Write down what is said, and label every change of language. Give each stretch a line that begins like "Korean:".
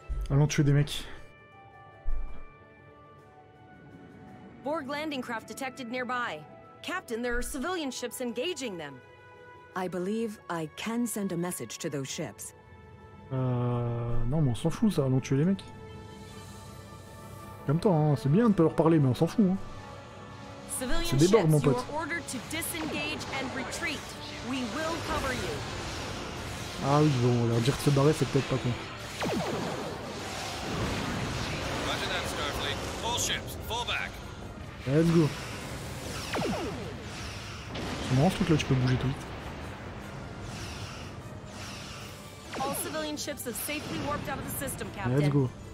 French: Allons tuer des mecs.
English: Borg landing craft detected nearby. Captain, there are civilian ships engaging them. I believe I can send a message to those ships.
French: Non, mais on s'en fout ça, allons tuer les mecs. Comme toi, hein. C'est bien de pas leur parler, mais on s'en fout. Hein.
English: Civilian
French: ships, mon pote.
English: You are ordered to disengage and retreat. We will cover you.
French: Ah oui, bon, on va leur dire de se barrer, c'est peut-être pas con.
English: Let's go.
French: C'est marrant ce truc là, tu peux bouger tout vite. Let's go.